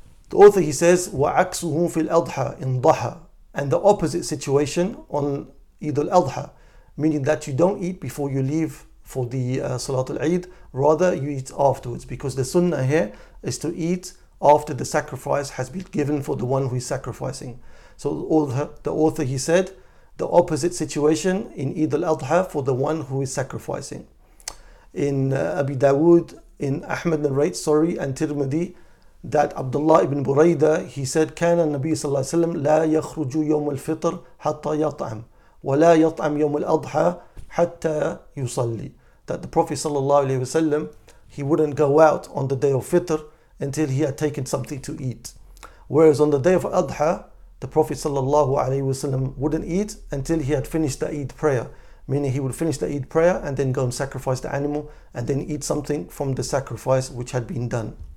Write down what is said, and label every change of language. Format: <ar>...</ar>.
<en>The author, he says,</en> <ar>وَعَكْسُهُ فِي الْأَضْحَى</ar> <en>in ضَحَى, and the opposite situation on Eid al-Adha, meaning that you don't eat before you leave for the Salat al-Eid, rather you eat afterwards, because the sunnah here is to eat after the sacrifice has been given for the one who is sacrificing. So the author, he said, the opposite situation in Eid al-Adha for the one who is sacrificing. In Abi Dawood, in Ahmad narrates, sorry, and Tirmidhi, that Abdullah ibn Buraida, he said,</en> <ar>كان النبي صلى الله عليه وسلم لا يخرج يوم الفطر حتى يطعم ولا يطعم يوم الأضحى حتى يصلي.</ar> <en>That the Prophet صلى الله عليه وسلم, he wouldn't go out on the day of Fitr until he had taken something to eat. Whereas on the day of Adha, the Prophet sallallahu alaihi wasallam wouldn't eat until he had finished the Eid prayer, meaning he would finish the Eid prayer and then go and sacrifice the animal and then eat something from the sacrifice which had been done.</en>